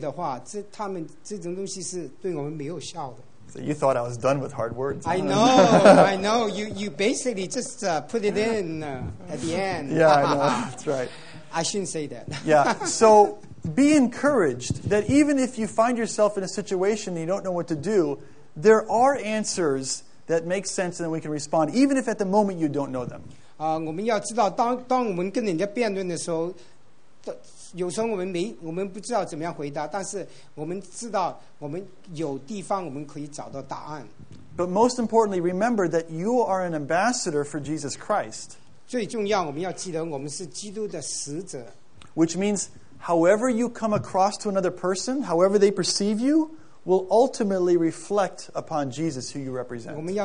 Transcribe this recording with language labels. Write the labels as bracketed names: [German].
[Chinese] 如果我们的基督徒的信仰不是对的话，他们这种东西是对我们没有效的。 [English] So you thought I was done with hard words? I know, I know. You basically just put it in at the end. Yeah, I know. That's right. I shouldn't say that. Yeah. So be encouraged that even if you find yourself in a situation and you don't know what to do, there are answers that makes sense and we can respond, even if at the moment you don't know them. [Chinese] 我们要知道，当我们跟人家辩论的时候，有时候我们不知道怎么样回答，但是我们知道我们有地方我们可以找到答案。But [English] most importantly, remember that you are an ambassador for Jesus Christ. [Chinese] 最重要，我们要记得我们是基督的使者。Which [English] means, however you come across to another person, however they perceive you, will ultimately reflect upon Jesus who you represent.